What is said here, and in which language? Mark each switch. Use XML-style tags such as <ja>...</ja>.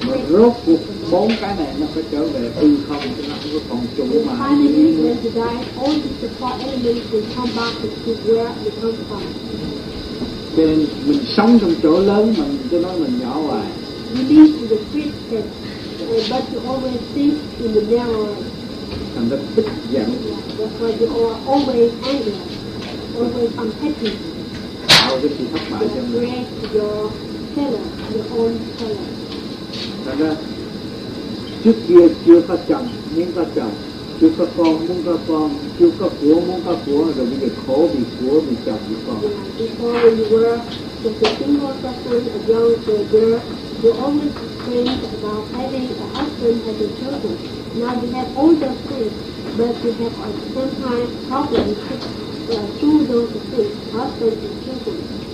<vi>Rốt cuộc bốn cái này nó phải trở về hư không chứ nó không có còn chủ mà.</vi> <en>Finally, when you die, all these four elements will come back to where they come from.</en> <vi>Cho nên mình sống trong chỗ lớn mà cứ nói mình nhỏ hoài.</vi> <en>You live in the big tent, but you always think in the narrow.</en> <vi>Thành ra tức giận.</vi> <en>That's why you are always angry, always unhappy.</en> <vi>Tạo cái sự thất bại cho mình.</vi> <en>Create your own color.</en> <vi>Trước kia chưa có chồng, muốn có chồng, chưa có con, muốn có con, chưa có của, muốn có của, rồi bây giờ khổ vì của, vì chồng, vì con.</vi> <en>Before you were just a single person, a girl, a girl, you always think about having a husband, having children. Now you have all those things, but you have at some time problems to choose those things, husband and children.</en>